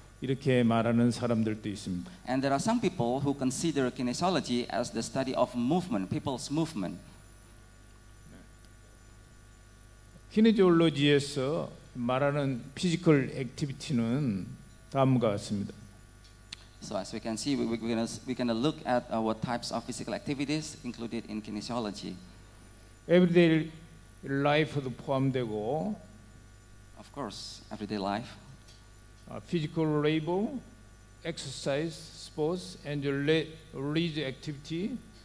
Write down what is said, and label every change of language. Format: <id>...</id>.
<ko>이렇게 말하는 사람들도 있습니다.</ko> <en>And there are some people who consider kinesiology as the study of movement, people's movement.</en> <ko>키네지올로지에서 말하는 피지컬 액티비티는 다음과 같습니다.</ko> <en>So as we can see, we're gonna look at what types of physical activities included in kinesiology.</en> <ko>Everyday life도 포함되고.</ko> <en>Of course, everyday life. Physical labor, exercise, sports, and leisure activity.</en>